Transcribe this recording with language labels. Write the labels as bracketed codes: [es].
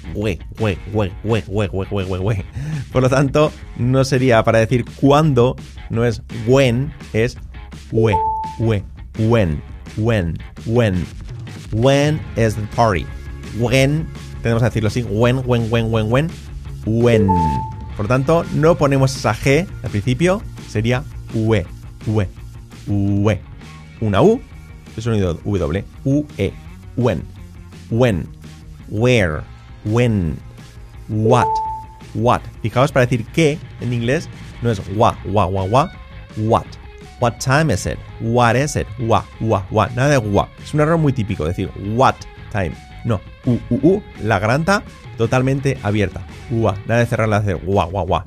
[es] We, we, we, we, we, we, we, we, we. Por lo tanto, no sería para decir cuándo, no es when, es we, we, when, when, when. [en] When is the party? When, [es] tenemos que decirlo así, [en] when, when, when, when, when, when. [es] Por lo tanto, no ponemos esa G al principio, sería we, we, we. Una U, el sonido W, U, E, when. [en] When, where, when, what, what. [es] Fijaos, para decir qué en inglés no es wa, wa, wa, wa, what. [en] What time is it? What is it? [es] Wa, wa, wa, nada de wa. Es un error muy típico decir what time. No, la garganta totalmente abierta. Wa, nada de cerrarla, hacer wa, wa, wa.